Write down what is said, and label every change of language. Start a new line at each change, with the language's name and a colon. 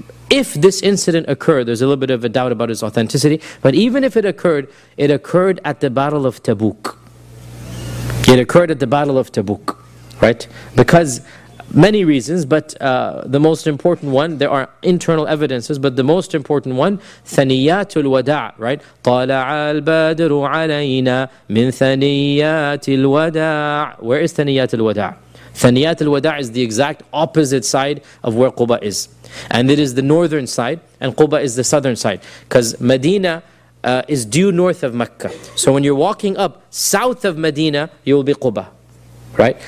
English: if this incident occurred, there's a little bit of a doubt about its authenticity, but even if it occurred at the Battle of Tabuk. It occurred at the Battle of Tabuk, right? Because many reasons, but the most important one, there are internal evidences, but the most important one, ثنيات الوداع, right?
Arabic: طالع البدر علينا من ثنيات الوداع.
English: Where is ثنيات الوداع? ثنيات الوداع is the exact opposite side of where Quba is. And it is the northern side, and Quba is the southern side. Because Medina is due north of Mecca. So when you're walking up south of Medina, you will be Quba. Right?